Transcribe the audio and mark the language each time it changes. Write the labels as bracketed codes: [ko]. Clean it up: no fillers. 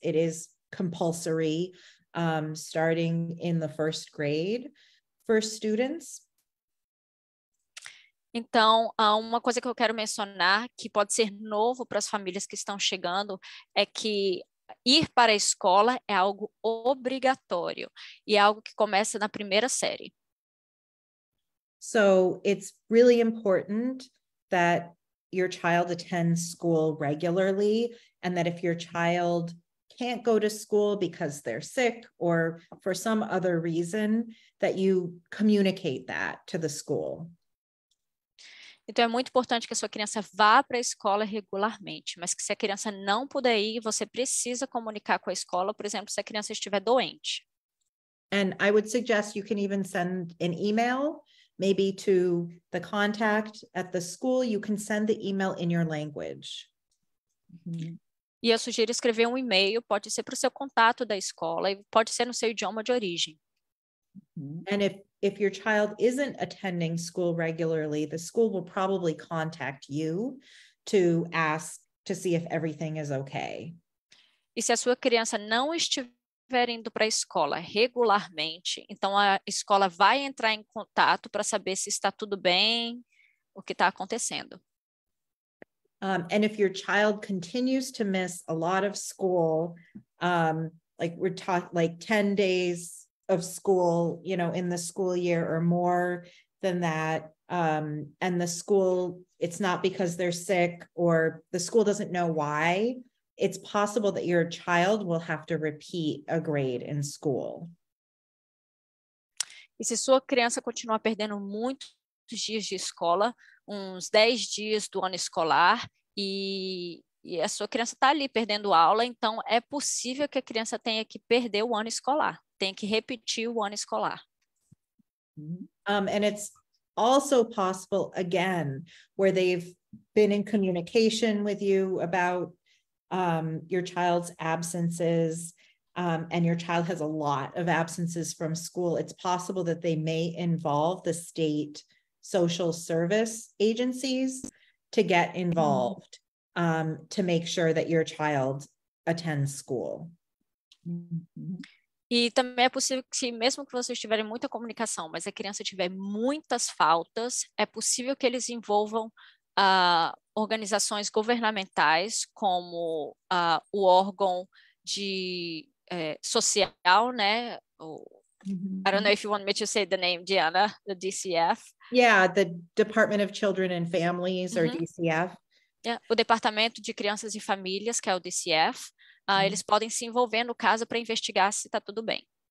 [en] It is compulsory starting in the first grade for students. [pt] Então, uma coisa que eu quero mencionar que pode ser novo para as famílias que estão chegando é que ir para a escola é algo obrigatório e é algo que começa na primeira série. [en] So it's really important that your child attends school regularly, and that if your child can't go to school because they're sick or for some other reason, that you communicate that to the school. [pt] Então, é muito importante que a sua criança vá para a escola regularmente, mas que se a criança não puder ir, você precisa comunicar com a escola, por exemplo, se a criança estiver doente. [en] And I would suggest you can even send an email, maybe to the contact at the school. You can send the email in your language. [pt] E eu sugiro escrever um e-mail, pode ser para o seu contato da escola, pode ser no seu idioma de origem. [en] And if your child isn't attending school regularly, the school will probably contact you to ask to see if everything is okay. [pt] E se a sua criança não estiver indo para a escola regularmente, então a escola vai entrar em contato para saber se está tudo bem, o que está acontecendo. [en] And if your child continues to miss a lot of school, like we're taught like 10 days of school, you know, in the school year or more than that, and the school, it's not because they're sick or the school doesn't know why, it's possible that your child will have to repeat a grade in school. [pt] E se sua criança continuar perdendo muitos dias de escola, uns 10 dias do ano escolar, e a sua criança está ali perdendo aula, então é possível que a criança tenha que perder o ano escolar, tenha que repetir o ano escolar. [en] And it's also possible, again, where they've been in communication with you about your child's absences, and your child has a lot of absences from school, it's possible that they may involve the state social service agencies to get involved to make sure that your child attends school. [pt] E também é possível que, mesmo que vocês tiverem muita comunicação, mas a criança tiver muitas faltas, é possível que eles envolvam organizações governamentais, como o órgão de social, né? [en] I don't know if you want me to say the name, Diana, the DCF. Yeah, the Department of Children and Families, or DCF. [pt] Yeah, o Departamento de Crianças e Famílias, que é o DCF. Eles podem se envolver no caso para investigar se está tudo bem.